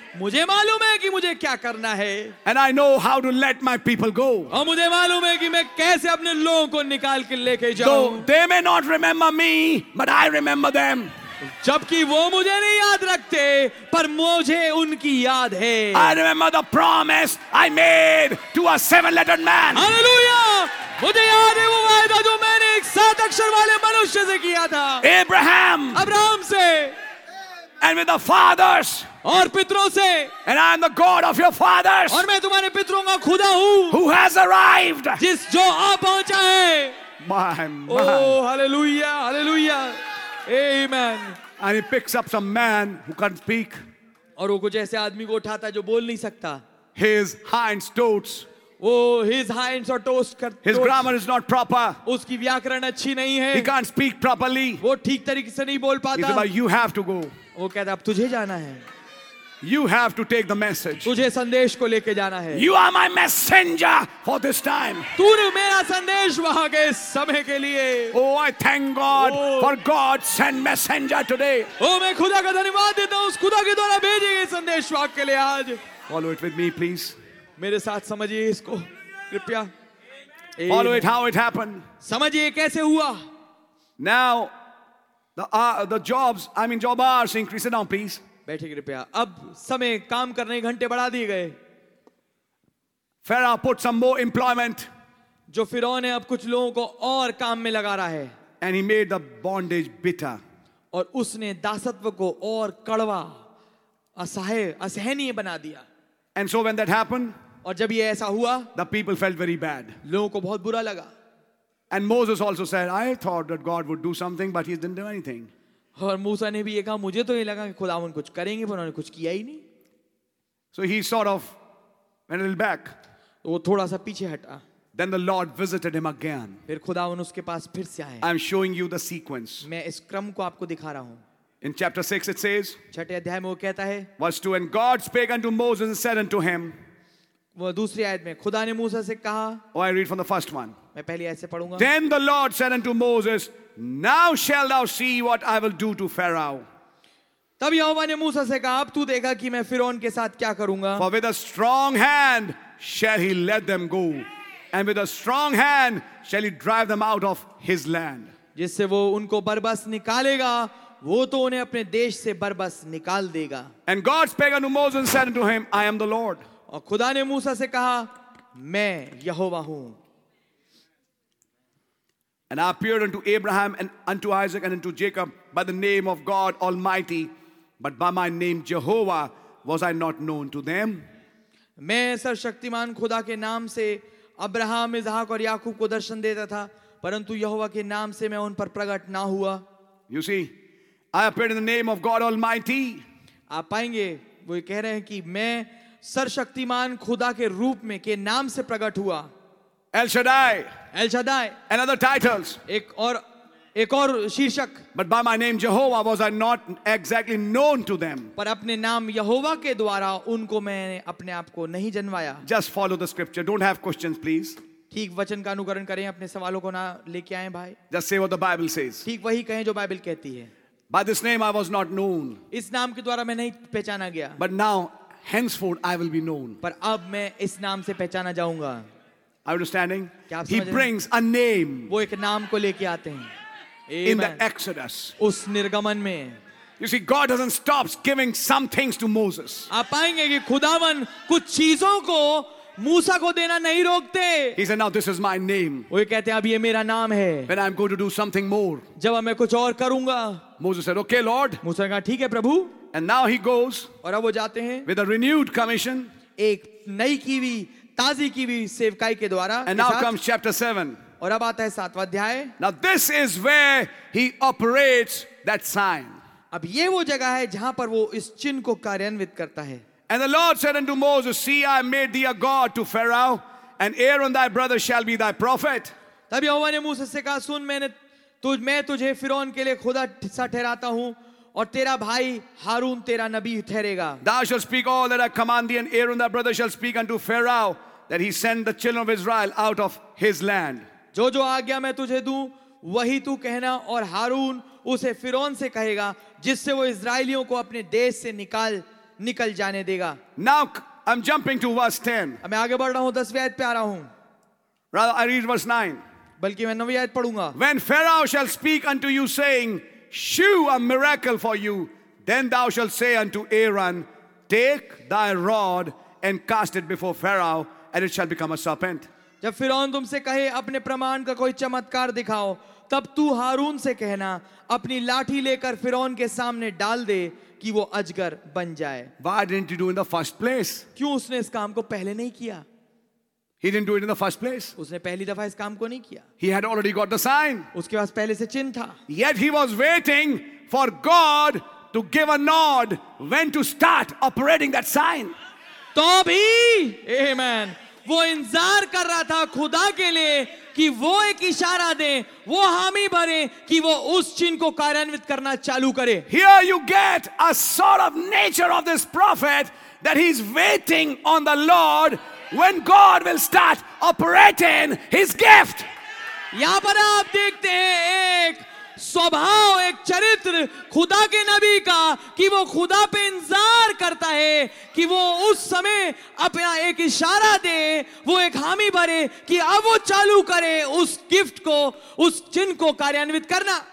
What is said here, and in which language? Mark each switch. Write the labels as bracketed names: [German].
[Hindi] मुझे मालूम है कि मुझे क्या करना है. [English] And I know how to let my people go. [Hindi] और मुझे मालूम है कि मैं कैसे अपने लोगों को निकाल के लेके जाऊँ. [English] So they may not remember me, but I remember them. [Hindi] जबकि वो मुझे नहीं याद रखते, पर मुझे उनकी याद है. [English] I remember the promise I made to a seven-lettered man. Hallelujah! [Hindi] मुझे याद है वो वायदा जो मैंने एक सात अक्षर वाले मनुष्य से किया था. [English] Abraham. [Hindi] अब्राहम से. [English] And with the fathers. [Hindi] और पितरों से. [English] And I am the God of your fathers. [Hindi] और मैं तुम्हारे पितरों का खुदा हूँ. [English] Who has arrived? [Hindi] जिस जो आ पहुँचा है. [English] My. Oh, hallelujah, hallelujah. Amen. And he picks up some man who can't speak. [Hindi] और वो कुछ ऐसे आदमी को उठाता है जो बोल नहीं सकता. [English] His hinds toots. [Hindi] वो [English] his hinds are toast [Hindi] कर. [English] His grammar is not proper. [Hindi] उसकी व्याकरण अच्छी नहीं है. [English] He can't speak properly. [Hindi] वो ठीक तरीके से नहीं बोल पाता. [English] He said, "You have to go." [Hindi] वो कहता है अब तुझे जाना है. [English] You have to take the message. [Hindi] तुझे संदेश को लेके जाना है. [English] You are my messenger for this time. [Hindi] तूने मेरा संदेश वहाँ के समय के लिए. [English] Oh, I thank God for God send messenger today. [Hindi] Oh, मैं खुदा का धन्यवाद देता हूँ उस खुदा के द्वारा भेजे गए संदेश वाक्य के लिए आज. [English] Follow it with me, please. [Hindi] मेरे साथ समझिए इसको, कृपया. [English] Follow it how it happened. [Hindi] समझिए कैसे हुआ. [English] Now, the jobs increased now, please. [Hindi] अब समय काम करने घंटे बढ़ा दिए गए. [English] Pharaoh put some more employment. [Hindi] जो फिरौन है अब कुछ लोगों को और काम में लगा रहा है. [English] And he made the bondage bitter. [Hindi] और उसने दासत्व को और कड़वा, असहाय, असहनीय बना दिया. [English] And so when that happened, [Hindi] और जब ये ऐसा हुआ, [English] the people felt very bad. [Hindi] लोगों को बहुत बुरा लगा. [English] And Moses also said, I thought that God would do something, but he didn't do anything. [Hindi] और मूसा ने भी ये कहा, मुझे तो ये लगा कि खुदावन कुछ करेंगे, पर उन्होंने कुछ किया ही नहीं. [English] So he sort of went a little back. [Hindi] तो वो थोड़ा सा पीछे हटा. [English] Then the Lord visited him again. [Hindi] फिर खुदावन उसके पास फिर से आए. [English] I'm showing you the sequence. [Hindi] मैं इस क्रम को आपको दिखा रहा हूँ. [English] In chapter 6 it says. [Hindi] छठे अध्याय में वो कहता है. [English] Verse 2, and God spake unto Moses and said unto him. [Hindi] वो दूसरी आयत में खुदा ने मूसा से कहा. [English] Oh, I read from the first one. [Hindi] मैं पहली आयत से पढूंगा. [English] Then the Lord said unto Moses, Now shall thou see what I will do to Pharaoh. [Hindi] तब यहोवा ने मूसा से कहा अब तू देखा कि मैं फिरौन के साथ क्या करूंगा [English] For with a strong hand shall he let them go and with a strong hand shall he drive them out of his land [Hindi] जिससे वो उनको बरबस निकालेगा वो तो उन्हें अपने देश से बरबस निकाल देगा [English] And God spake unto Moses and said unto him I am the Lord [Hindi] और खुदा ने मूसा से कहा मैं यहोवा हूं [English] And I appeared unto Abraham and unto Isaac and unto Jacob by the name of God Almighty But by my name Jehovah was I not known to them. [Hindi] मैं सर्वशक्तिमान खुदा के नाम से अब्राहम, इसहाक और याकूब को दर्शन देता था, परंतु यहोवा के नाम से मैं उन पर प्रकट ना हुआ. [English] You see, I appeared in the name of God Almighty. [Hindi] आप पाएंगे वो ये कह रहे हैं कि मैं सर्वशक्तिमान खुदा के रूप में के नाम से प्रकट हुआ. [Hebrew] El Shaddai, [English] and other titles. [Hindi] एक और शीर्षक [English] But by my name Jehovah was I not exactly known to them. [Hindi] पर अपने नाम यहोवा के द्वारा उनको मैंने अपने आप को नहीं जनवाया [English] Just follow the scripture. Don't have questions, please. [Hindi] ठीक वचन का अनुकरण करें अपने सवालों को ना लेके आए भाई [English] Just say what the Bible says. [Hindi] ठीक वही कहें जो बाइबल कहती है [English] By this name I was not known. [Hindi] इस नाम के द्वारा मैं नहीं पहचाना गया [English] But now, henceforth, I will be known. [Hindi] पर अब मैं इस नाम से पहचाना जाऊंगा [English] Understanding? He brings a name. [Hindi] वो एक नाम को लेके आते हैं [English] In the Exodus, [Hindi] उस निर्गमन में, [English] you see, God doesn't stop giving some things to Moses. [Hindi] आप पाएंगे कि खुदावन कुछ चीजों को मूसा को देना नहीं रोकते. [English] He said, "Now this is my name." [Hindi] वो ये कहते हैं अब ये मेरा नाम है. [English] When I'm going to do something more, [Hindi] जब मैं कुछ और करूंगा. [English] Moses said, "Okay, Lord." [Hindi] मूसा ने कहा ठीक है प्रभु. [English] And now he goes. [Hindi] और अब वो जाते हैं. [English] With a renewed commission, [Hindi] एक नई कीवी, ताजी कीवी सेवकाई के द्वारा. [English] And now comes chapter 7. [Hindi] और अब आता है सातवां अध्याय [English] Now this is where he operates that sign. [Hindi] अब ये वो जगह है जहां पर वो इस चिन्ह को कार्यान्वित करता है [English] And the Lord said unto Moses, See, I made thee a God to Pharaoh, and Aaron thy brother shall be thy prophet. [Hindi] तब यहोवा ने मूसा से कहा सुन मैं तुझे फिरौन के लिए खुदा सा ठहराता हूं और तेरा भाई हारून तेरा नबी ठहरेगा [English] Thou shalt speak all that I command thee, and Aaron thy brother shall speak unto Pharaoh, that he send the children of Israel out of his land. [Hindi] जो जो आज्ञा मैं तुझे दूं वही तू कहना और हारून उसे फिरौन से कहेगा जिससे वो इज़राइलियों को अपने देश से निकल जाने देगा [English] Now I'm jumping to verse 10 [Hindi] मैं आगे बढ़ रहा हूं 10वीं आयत पे आ रहा हूं [English] Rather I read verse 9 [Hindi] बल्कि मैं 9वीं आयत पढूंगा [English] When Pharaoh shall speak unto you saying shew a miracle for you then thou shalt say unto Aaron take thy rod and cast it before Pharaoh and it shall become a serpent [Hindi] जब फिरौन तुमसे कहे अपने प्रमाण का कोई चमत्कार दिखाओ तब तू हारून से कहना अपनी लाठी लेकर फिरौन के सामने डाल दे कि वो अजगर बन जाए [English] Why didn't he do in the first place? [Hindi] क्यों उसने इस काम को पहले नहीं किया [English] He didn't do it in the first place. [Hindi] उसने पहली दफा इस काम को नहीं किया [English] He had already got the sign. [Hindi] उसके पास पहले से चिन्ह था [English] Yet he was waiting for God to give a nod when to start operating that sign. [Hindi] तो भी Amen. वो इंतजार कर रहा था खुदा के लिए कि वो एक इशारा दे वो हामी भरे कि वो उस चिन्ह को कार्यान्वित करना चालू करे [English] Here you get a sort of nature of this prophet that he's waiting on the Lord when God will start operating his gift. [Hindi] यहां पर आप देखते हैं एक स्वभाव एक चरित्र खुदा के नबी का कि वो खुदा पे इंतजार करता है कि वो उस समय अपना एक इशारा दे वो एक हामी भरे कि अब वो चालू करे उस गिफ्ट को उस चिन्ह को कार्यान्वित करना